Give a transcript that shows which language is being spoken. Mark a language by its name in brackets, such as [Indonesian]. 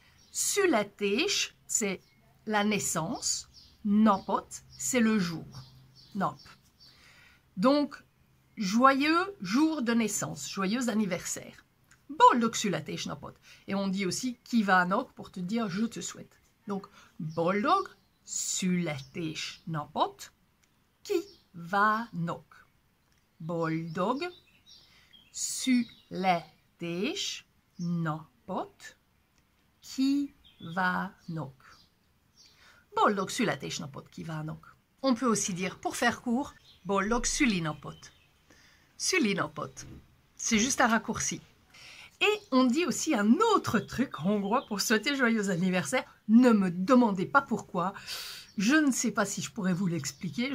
[French] Születés, c'est la naissance. Napot, c'est le jour. Nap. Donc, joyeux jour de naissance, joyeux anniversaire. [Hungarian] Boldog születés, napot. [French] Et on dit aussi kívánok pour te dire je te souhaite. [Hungarian] Donc, boldog születés, napot. Kívánok. Boldog születés, napot. Kívánok. Boldog születés napot kívánok. [French] On peut aussi dire, pour faire court, [Hungarian] boldog szülinapot. [French] Szülinapot. C'est juste un raccourci. Et on dit aussi un autre truc en hongrois pour souhaiter joyeux anniversaire. Ne me demandez pas pourquoi. Je ne sais pas si je pourrais vous l'expliquer.